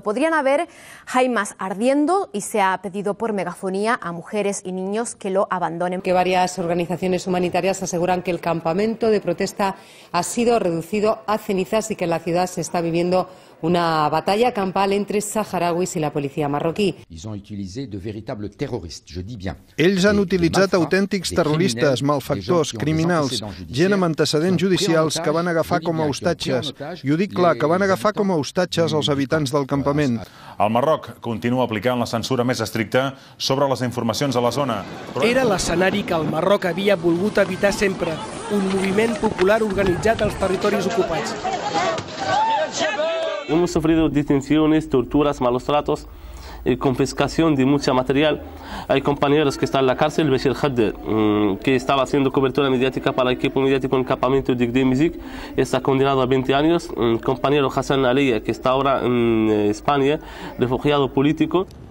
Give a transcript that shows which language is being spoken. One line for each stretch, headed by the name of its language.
Spanish: Podrían haber jaimas ardiendo y se ha pedido por megafonía a mujeres y niños que lo abandonen. Que varias organizaciones humanitarias aseguran que el campamento de protesta ha sido reducido a cenizas y que en la ciudad se está viviendo una batalla campal entre saharauis y la policía marroquí.
French: Ils ont utilisé de véritables terroristes, je dis bien.
Catalan: Ells han utilitzat autèntics terroristes, malfactors, criminals, gent amb antecedents judicials que van agafar com a hostatges. I ho dic clar, que van agafar com a hostatges els habitants del campament. El Marroc continua aplicant la censura més estricta sobre les informacions de la zona. Però... Era l'escenari que el Marroc havia volgut evitar sempre, un moviment popular organitzat als territoris ocupats.
Spanish: Hemos sufrido detenciones, torturas, malos tratos, confiscación de mucho material. Hay compañeros que están en la cárcel, Bashir Khader, que estaba haciendo cobertura mediática para el equipo mediático en el campamento de Gdemizik, está condenado a 20 años. Compañero Hassan Aliya, que está ahora en España, refugiado político.